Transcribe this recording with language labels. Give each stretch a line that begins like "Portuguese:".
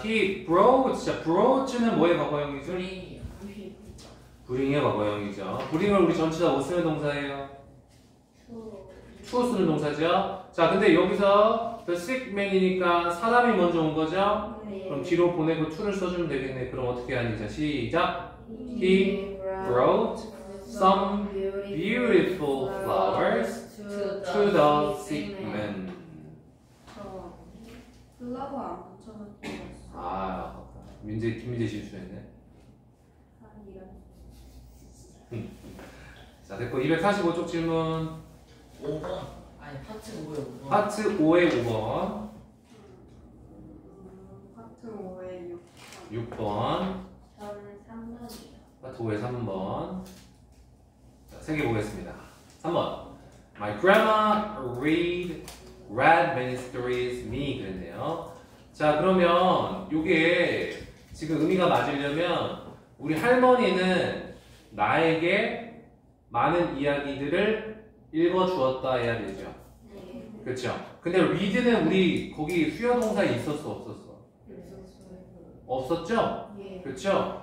English: He brought,
Korean: 자, brought는 뭐의 과거형이죠? bring의 과거형이죠. bring을 우리 전체 다 못 쓰는 동사예요. to 쓰는 동사죠. 자, 근데 여기서
English: the sick man
Korean: 이니까 사람이 먼저 온 거죠? 네. 그럼 뒤로 보내고 to를 써주면 되겠네. 그럼 어떻게 하는지 시작.
English: He brought some beautiful flowers to the sick man.
Korean: 저 플라워 안 붙여놨어. 아, 민재 김민재 실수했네. 자, 됐고 245쪽 질문. 5번. 아니 파트 5의 5번. 파트 5의 5번. 파트 5의 6번. 6번. 저는 3번이요. 파트 5의 3번. 자, 세 개 보겠습니다. 3번.
English: My grandma read many stories me
Korean: 그랬네요. 자, 그러면 이게 지금 의미가 맞으려면 우리 할머니는 나에게 많은 이야기들을 읽어주었다 해야 되죠. 그렇죠. 근데 read는 우리 거기 수여동사에 있었어 없었어? 없었죠? 그렇죠.